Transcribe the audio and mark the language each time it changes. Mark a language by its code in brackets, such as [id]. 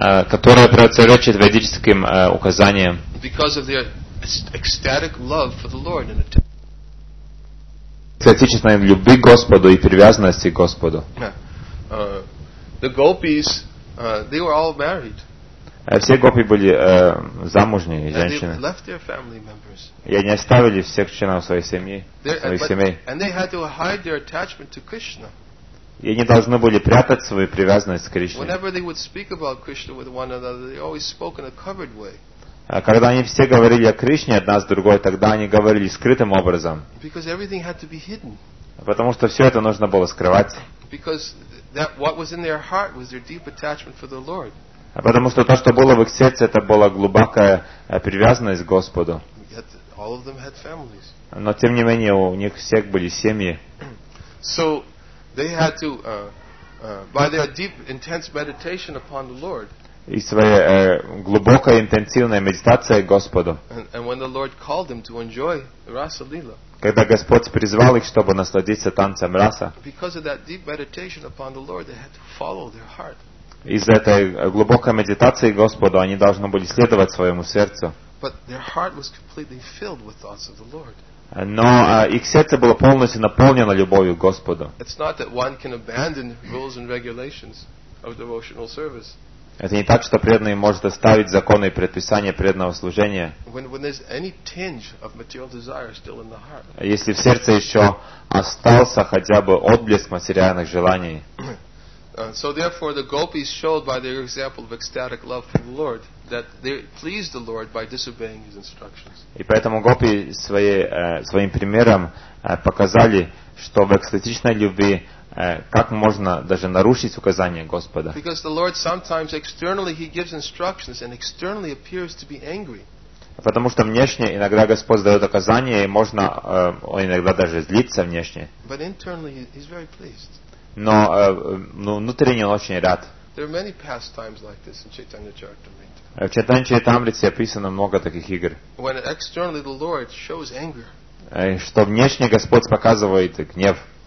[ru] которые противоречат ведическим указаниям. [en] Because of their ecstatic love for the Lord in it. [ru] Экстатичной любви к Господу и привязанности к Господу. [en] The gopis, they were all married. [ru] Все гопи были замужние женщины. [en] They left their family members. [ru] И они оставили всех членов своей семьи, своих семей. [en] And they had to hide their attachment to Krishna. [ru] И они должны были прятать свою привязанность к Кришне. [en] Whenever they would speak about Krishna with one another, they always spoke in a covered way. [ru] Когда они все говорили о Кришне одна с другой, тогда они говорили скрытым образом. [en] Because everything had to be hidden. [ru] Потому что все это нужно было скрывать. [en] Because that what was in their heart was their deep attachment for the Lord. [ru] Потому что то, что было в их сердце, это была глубокая привязанность к Господу. [en] Yet all of them had families. [ru] Но тем не менее у них всех были семьи. [en] So they had to by their deep intense meditation upon the Lord. [ru] И своя глубокая интенсивная медитация к Господу. [en] And when the Lord called them to enjoy Rasa Lila. [ru] Когда Господь призвал их, чтобы насладиться танцем Раса. [en] Because of that deep meditation upon the Lord, they had to follow their heart. [ru] Из-за этой глубокой медитации Господу они должны были следовать своему сердцу. [en] But their heart was completely filled with thoughts of the Lord. [ru] Но их сердце было полностью наполнено любовью к Господу. [en] It's not that one can abandon rules and regulations of devotional service. [ru] Это не так, что преданный может оставить законы и предписания преданного служения. [en] When there's any tinge of material desire still in the heart. [ru] Если в сердце еще остался хотя бы отблеск материальных желаний. [en] So therefore the gopis showed by their example of ecstatic love for the Lord that they pleased the Lord by disobeying his instructions. [ru] И поэтому гопи своим примером показали, что в экстатичной любви как можно даже нарушить указания Господа. [en] Because the Lord sometimes externally he gives instructions and externally appears to be angry. [ru] Потому что внешне иногда Господь дает указания и можно иногда даже злиться внешне. [en] But internally he's very pleased. [ru] Но внутренне он очень рад. [en] There are many pastimes like this in Chaitanya Charitamrita. [ru] В Чайтанья Чаритамрите описано много таких игр. [en] When externally the Lord shows anger. [ru] Что внешне Господь показывает гнев.